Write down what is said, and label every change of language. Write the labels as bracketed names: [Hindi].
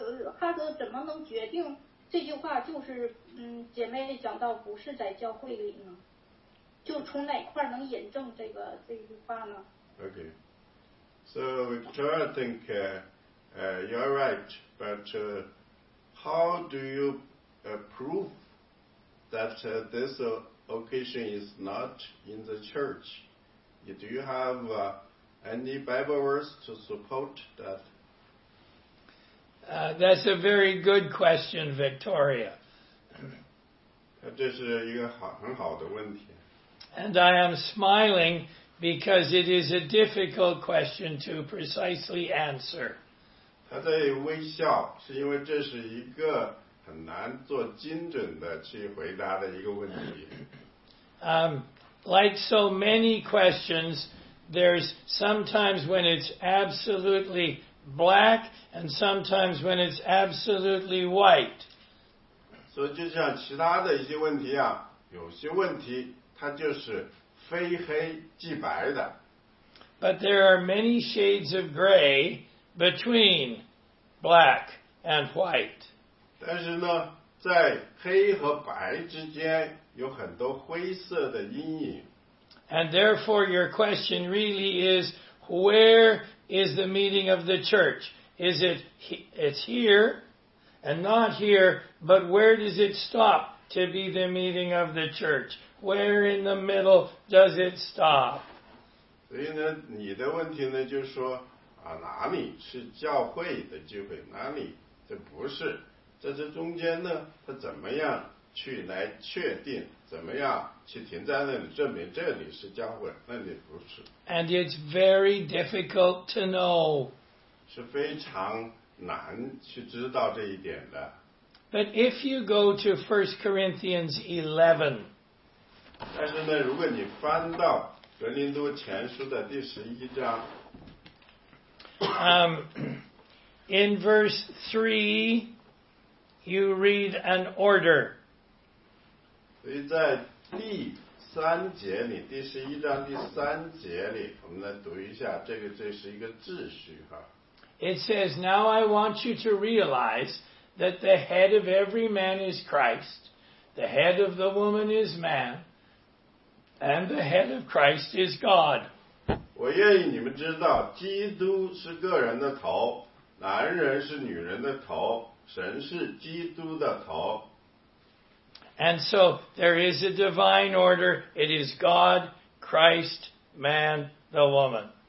[Chinese] 如果你还认为这个他没有回答您问题，你可以继续问。就是我明白那个哈罗讲了这个环境，祷告和讲道的环境不是在教会里头，大型的会议。那我想问一下，怎样证明哈罗的说的不是在教会里？就这句话，就哈罗怎么能决定？这句话就是姐妹讲到不是在教会里呢，就从哪块能引证这个这句话呢？ [English] Okay. So Victoria, I think you're right, but how do you prove that this occasion is not in the church? Do you have any Bible verse to support that? That's a very good question, Victoria. [Chinese] 这是一个好很好的问题。 [English] And I am smiling because it is a difficult question to precisely answer. [Chinese] 他在微笑，是因为这是一个很难做精准的去回答的一个问题。 [English] Like so many questions, there's sometimes when it's absolutely black and sometimes when it's absolutely white. [Chinese] 所以就像其他的一些问题啊，有些问题它就是非黑即白的。 [English] But there are many shades of gray between black and white. [Chinese] 但是呢，在黑和白之间有很多灰色的阴影。 [English] And therefore your question really is, where is the meeting of the church? Is it, it's here and not here, but where does it stop to be the meeting of the church? Where in the middle does it stop? [Chinese] 所以呢，你的问题呢，就是说，啊，哪里是教会的聚会，哪里这不是，在这中间呢，它怎么样？去来确定怎么样去停在那里证明这里是教会那里不是 [English] And it's very difficult to know [Chinese] 是非常难去知道这一点的 [English] But if you go to 1 Corinthians 11 [Chinese] 但是呢如果你翻到格林多前书的第十一章 [English] In verse 3 you read an order [Chinese] 所以在第三节里，第十一章第三节里，我们来读一下，这是一个秩序哈。 [English] It says, "Now I want you to realize that the head of every man is Christ, the head of the woman is man, and the head of Christ is God." [Chinese] 我愿意你们知道，基督是个人的头，男人是女人的头，神是基督的头。 [English] And so there is a divine order. It is God, Christ, man, the woman.